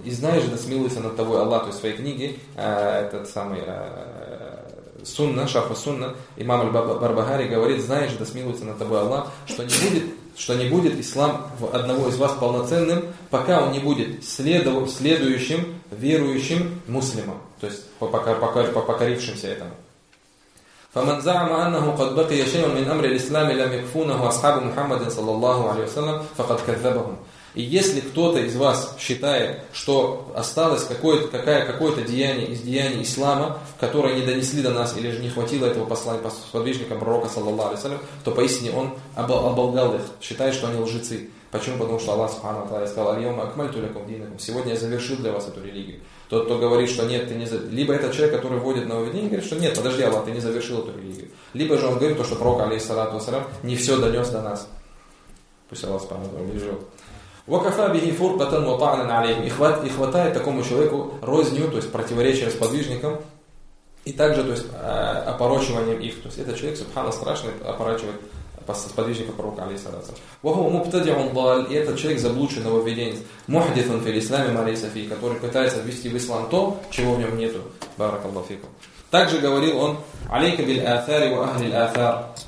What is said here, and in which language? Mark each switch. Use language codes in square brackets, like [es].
[ru] И знаешь же, да смилуется над тобой Аллах, то есть в своей книге, этот самый Сунна, Шарху Сунна, имам Аль-Бардахари говорит: «Знаешь же, да смилуется над тобой Аллах, что не будет ислам одного из вас полноценным, пока он не будет следующим, верующим муслимом». То есть покорившимся этому. [ar] فمن زعم أنه قد بقي شيء من أمر الإسلام لم يكفونه أصحاب محمد صلى الله عليه وسلم فقد كذبهم. [ru] И если кто-то из вас считает, что осталось какое-то деяние из деяний ислама, которое не донесли до нас, или же не хватило этого послания сподвижника пророка, саллаллаху алейхи ва саллям, то поистине он оболгал их, считая, что они лжецы. Почему? Потому что Аллах субхана ва тааля сказал: [ar] «Аль-йаума акмальту лякум динакум», [ru] сегодня я завершил для вас эту религию. Тот, кто говорит, что нет, ты не завершил. Либо это человек, который вводит нововведение, говорит, что нет, подожди, Аллах, ты не завершил эту религию. Либо же он говорит то, что пророк, алейхиссалату ва саллям, не все донес до нас. Пусть Аллах субхана ва тааля бережет. [ar] وَكَفَى بِهِ فُرْقَةً وَطَعْنًا عَلَيْهِمْ. [ru] И хватает такому человеку розню, то есть противоречия сподвижникам, и также, то есть, опорочиванием их. То есть этот человек, субхана, страшный, опорочивает сподвижника пророка, алейхиссалям. [ar] وَهُوَ مُبْتَدِعٌ ضَلٌّ. [ru] И этот человек заблудший нововведенец. [ar] مُحْدِثٌ فِي الْإِسْلَامِ مَا لَيْسَ فِيهِ. [ru] Который пытается ввести в ислам то, чего в нем нету. [ar] بَارَكَ. [ru] Также говорил он: [ar] عَلَيْكَ بِالْآثَارِ وَأَهْلِ الْآثَارِ.